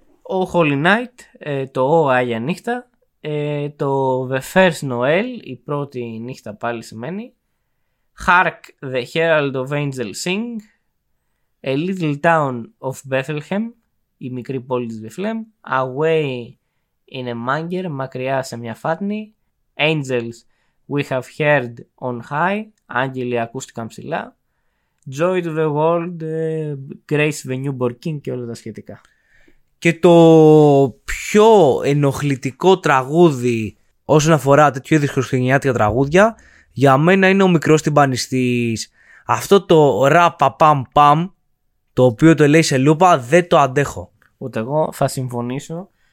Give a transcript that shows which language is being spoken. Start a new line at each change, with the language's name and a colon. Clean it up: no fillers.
Greek: Ο Holy Night, το O Άγια Νύχτα, το The First Noel, η πρώτη νύχτα πάλι σημαίνει.
English: Hark, The Herald of Angels Sing, A Little Town of Bethlehem.
Greek: Η μικρή πόλη της Βιφλέμ. Away in a manger, μακριά σε μια φάτνη.
English: Angels, we have heard on high.
Greek: Άγγελοι ακούστηκαν ψηλά.
English: Joy to the world, grace the newborn king
Greek: και όλα τα σχετικά. Και το πιο ενοχλητικό τραγούδι όσον αφορά τέτοιου είδους χριστουγεννιάτικα τραγούδια για μένα είναι ο μικρός τυμπανιστής. Αυτό το ρα-πα-παμ-παμ, το οποίο το λέει σε λούπα, δεν το αντέχω. Ούτε εγώ θα συμφωνήσω.